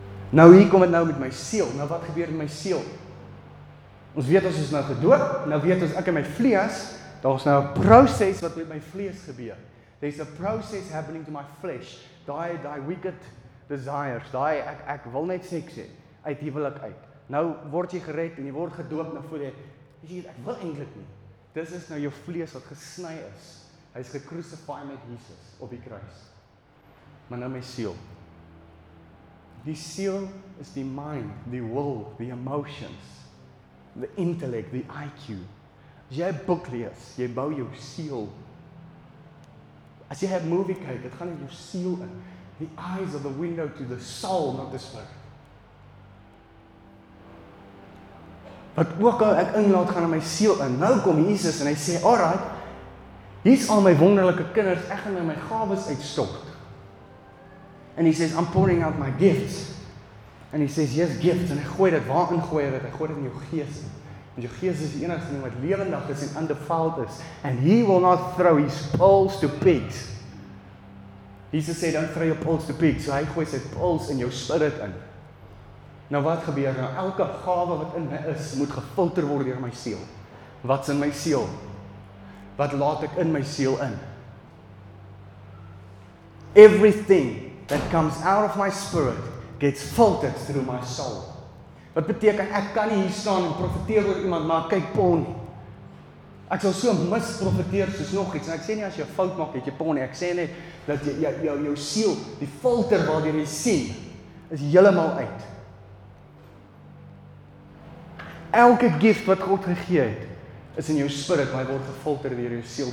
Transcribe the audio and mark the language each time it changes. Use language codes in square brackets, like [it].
[af] Nou hier kom het nou met my siel. Nou wat gebeur met my siel? Ons weet ons is nou gedoop. Nou weet ons ek in my vlees. Daar is nou 'n proses wat met my vlees gebeur. [en] There's a process happening to my flesh. [af] Die [en] wicked desires. [af] Die ek wil net seks hê. Uit die wil ek uit. Nou word jy gered en jy word gedoop. Nou voel jy, ek wil eintlik nie. Dis is nou jou vlees wat gesny is. Hy is gekrucify met Jesus op die kruis. Maar nou my siel. Die siel is die mind, die will, die emotions, [en] the intellect, the IQ. [af] As jy boek lees, jy bou jou siel. As jy 'n movie kyk, dit gaan in jou siel in. [en] The eyes are the window to the soul, not the spirit. [af] Wat ook al ek inlaat, gaan in my siel in. Nou kom Jesus en hy sê, alright, hier's al my wonderlike kinders, ek gaan nou my gawes uitstort. [en] And he says, I'm pouring out my gifts. And he says, yes, gifts. And [af] hy gooi dit, waarin gooi hy dit? Hy gooi dit in jou gees. Want jou gees is die enigste ding wat lewendig is en undefiled is. [en] And he will not throw his pearls to pigs. Jesus [af] sê, [en] don't throw your pearls to pigs. [af] So hy gooi sy pearls in jou spirit in. Nou wat gebeur? Nou elke gawe wat in my is, moet gefilter word deur my siel. Wat's in my siel? Wat laat ek in my siel in? [en] Everything that comes out of my spirit gets filtered through my soul. [af] Wat beteken, ek kan nie hier staan en profeteer oor iemand, maar kyk pon. Ek sal so misprofeteer soos nog iets. En ek sê nie as jy fout maak, het jy pon nie. Ek sê net dat jou siel, die filter waardeur jy sien, is heeltemal uit. Elke gift wat God gegee het, is in jou spirit, maar hy word gefilter deur jou siel.